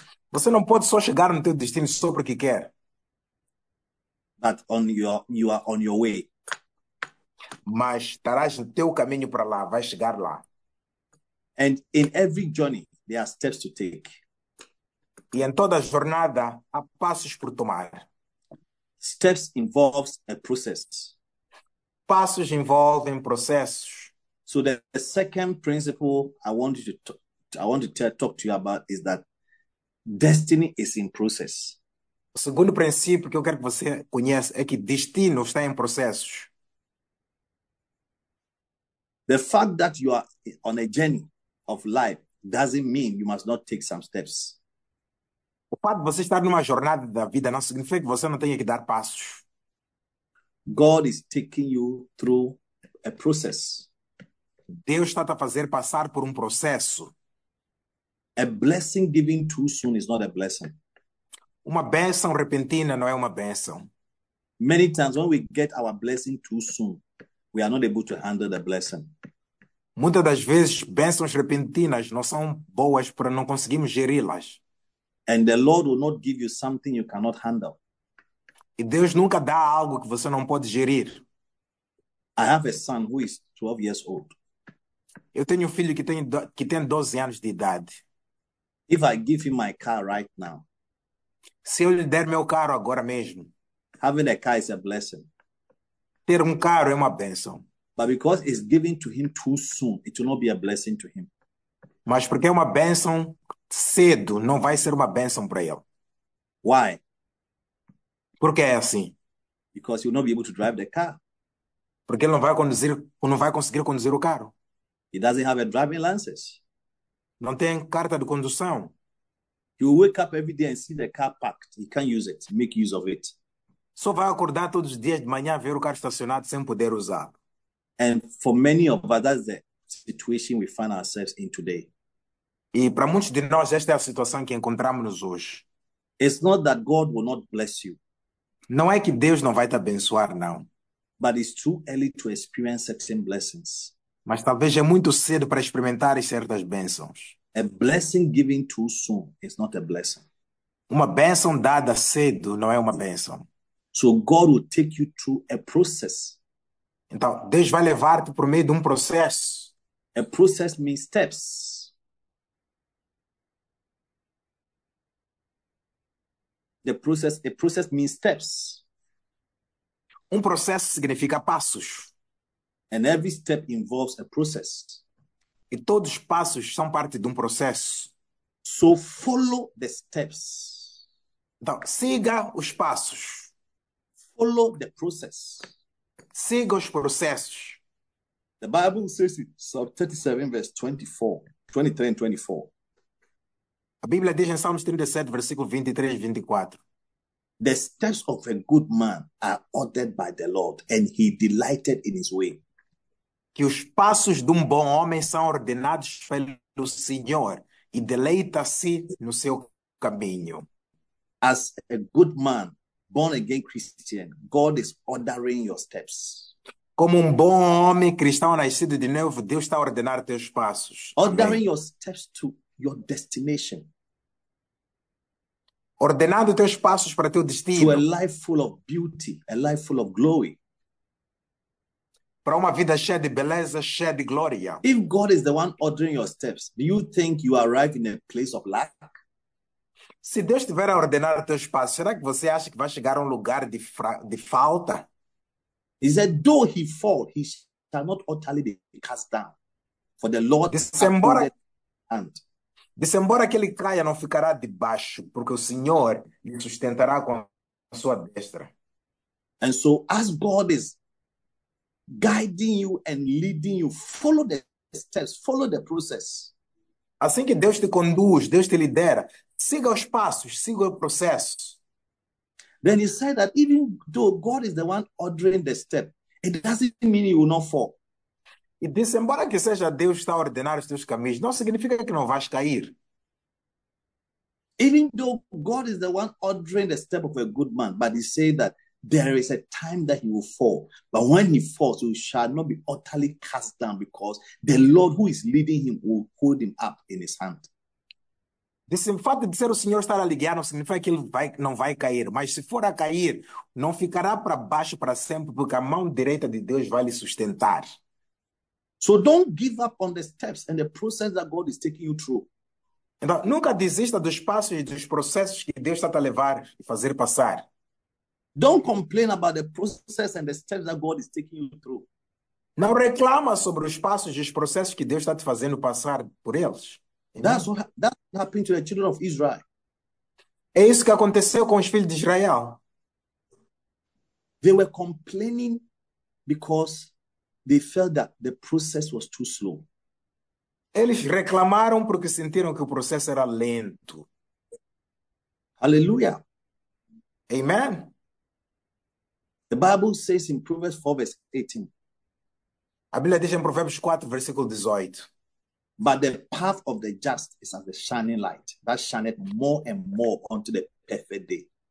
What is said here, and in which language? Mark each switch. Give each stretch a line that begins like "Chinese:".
Portuguese: Você não pode só chegar no teu destino só porque quer.
English: But you are on your way.
Portuguese: Mas estarás no teu caminho para lá, vai chegar lá.
English: And in every journey, there are steps to take.
Portuguese: E em toda jornada, há passos por tomar.
English: Steps involves a process.
Portuguese: Passos envolvem processos.
English: So the second principle I want to talk to you about is that destiny is in process.
Portuguese: O segundo princípio que eu quero que você conheça é que destino está em processos.
English: The fact that you are on a journey of life doesn't mean you must not take some steps.
Portuguese: O fato de você estar numa jornada da vida não significa que você não tenha que dar passos.
English: God is taking you through a process.
Portuguese: Deus está a fazer passar por processo.
English: A blessing given too soon is not a blessing.
Portuguese: Uma bênção repentina não é uma bênção.
English: Many times when we get our blessing too soon, we are not able to handle the blessing.
Portuguese: Muitas das vezes, bênçãos repentinas não são boas para não conseguirmos geri-las.
English: And the Lord will not give you something you cannot handle.
Portuguese: E Deus nunca dá algo que você não pode gerir.
English: I have a son who is 12 years old.
Portuguese: Eu tenho filho que tem 12 anos de idade.
English: If I give him my car right now,
Portuguese: se eu lhe der meu carro agora mesmo,
English: having a car is a blessing.
Portuguese: Ter carro é uma bênção.
English: But because it's given to him too soon, it will not be a blessing to him.
Portuguese: Mas porque é uma bênção cedo, não vai ser uma bênção para ele.
English: Why?
Portuguese: Porque é assim.
English: Because he will not be able to drive the car.
Portuguese: Porque ele não vai conseguir conduzir o carro.
English: He doesn't have a driving license.
Portuguese: Não tem carta de condução.
English: You wake up every day and see the car parked. He can't use it. Make use of it.
Portuguese: Só vai acordar todos os dias de manhã ver o carro estacionado sem poder usar.
English: And for many of us, that's the situation we find ourselves in today.
Portuguese: E para muitos de nós, esta é a situação que encontramos hoje.
English: It's not that God will not bless you.
Portuguese: Não é que Deus não vai te abençoar, não.
English: But it's too early to experience certain blessings.
Portuguese: Mas talvez é muito cedo para experimentar certas bênçãos.
English: A blessing given too soon is not a blessing.
Portuguese: Uma bênção dada cedo não é uma bênção.
English: So God will take you through a process.
Portuguese: Então, Deus vai levar-te por meio de um processo.
English: A process means steps. A process means steps.
Portuguese: Um processo significa passos.
English: And every step involves a process.
Portuguese: E todos os passos são parte de um processo.
English: So follow the steps.
Portuguese: Então, siga os passos.
English: Follow the process.
Portuguese: Siga os processos.
English: The Bible says it, Psalm 37, verse 23 and 24.
Portuguese: A Bíblia diz em Salmos 37, versículo 23 e 24.
English: The steps of a good man are ordered by the Lord, and he delighted in his way.
Portuguese: Que os passos de um bom homem são ordenados pelo Senhor, e deleita-se no seu caminho.
English: As a good man, born again Christian, God is ordering your steps.
Portuguese: Como um bom homem cristão nascido de novo, Deus está a ordenar teus passos.
English: Ordering your steps to your destination.
Portuguese: Ordenando teus passos para teu destino.
English: To a life full of beauty, a life full of glory.
Portuguese: Para uma vida cheia de beleza, cheia de glória.
English: If God is the one ordering your steps, do you think you arrive in a place of lack?
Portuguese: Se Deus estiver a ordenar teus passos, será que você acha que vai chegar a lugar de falta?
English: He said, though he fall, he shall not utterly be cast down. For the Lord is embora... his hand.
Portuguese: Disse, embora que ele caia, não ficará debaixo, porque o Senhor lhe sustentará com a sua destra.
English: And so, as God is guiding you and leading you, follow the steps, follow the process.
Portuguese: Assim que Deus te conduz, Deus te lidera, siga os passos, siga o processo.
English: Then he said that even though God is the one ordering the step, it doesn't mean you will not fall.
Portuguese: E disse, embora que seja Deus está a ordenar os teus caminhos, não significa que não vais cair.
English: Even though God is the one ordering the step of a good man, but he said that there is a time that he will fall. But when he falls, he shall not be utterly cast down, because the Lord who is leading him will hold him up in his hand.
Portuguese: Disse, o fato de ser o Senhor estar a ligar não significa que ele vai, não vai cair. Mas se for a cair, não ficará para baixo para sempre, porque a mão direita de Deus vai lhe sustentar.
English: So don't give up on the steps and the process that God is taking you through.
Portuguese: Então, nunca desista dos passos e dos processos que Deus está a levar e fazer passar.
English: Don't complain about the process and the steps that God is taking you through.
Portuguese: Não reclama sobre os passos e os processos que Deus está te fazendo passar por eles.
English: That's what happened to the children of Israel.
Portuguese: É isso que aconteceu com os filhos de Israel.
English: They were complaining because they felt that the process was too slow.
Portuguese: Eles reclamaram porque sentiram que o processo era lento. Hallelujah. Amen.
English: The Bible says in Proverbs 4, verse 18.
Portuguese: A Bíblia diz em Provérbios 4, versículo 18.
English: But the path of the just is as a shining light that shineth more and more unto the perfect day.